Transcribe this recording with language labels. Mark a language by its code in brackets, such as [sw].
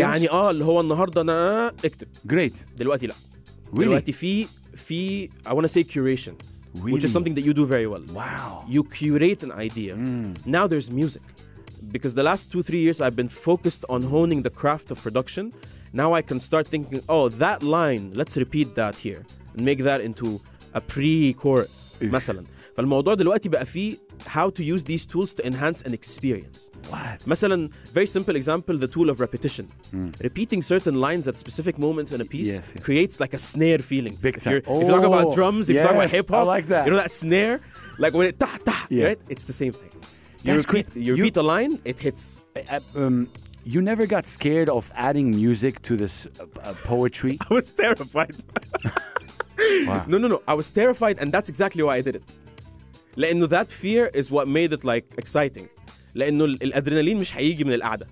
[ar] يعني اللي هو النهاردة أنا أكتب. [en] Great. [ar] دلوقتي لا. [en] Really? [ar] دلوقتي في [en] I want to say curation. Really? Which is something that you do very well. Wow. You curate an idea. Mm. Now there's music. Because the last 2-3 years I've been focused on honing the craft of production. Now I can start thinking, that line, let's repeat that here and make that into a pre-chorus. [ar] مثلاً. فالموضوع دلوقتي بقى فيه [en] how to use these tools to enhance an experience. What? مثلاً, very simple example, the tool of repetition. Mm. Repeating certain lines at specific moments in a piece yes, yes. creates like a snare feeling. Big time. If you talk about drums, if yes, you talk about hip hop, I like that. You know that snare? Like when it ta ta, yeah. right? It's the same thing. You repeat a line, it hits. You never got scared of adding music to this poetry? I was terrified. wow. No. I was terrified, and that's exactly why I did it. لأنه that fear is what made it like exciting. [ar] لأنه الأدرينالين مش هيجي من القعدة.